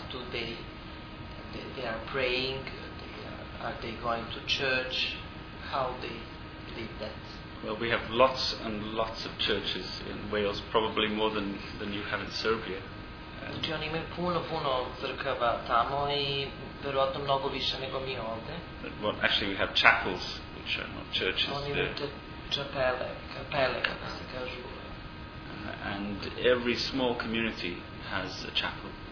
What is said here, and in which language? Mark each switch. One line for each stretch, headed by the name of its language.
English: Do they are praying? Are they going to church? How they live that? Well, we have lots and lots of churches in Wales, probably more than you have in Serbia.
Serbian: Znači oni imaju puno crkava tamo i verovatno mnogo više nego mi ovde.
English: Well, actually we have chapels, which are not churches.
Serbian: Oni imaju te kapele, kako se kažu.
English: And every small community has a chapel.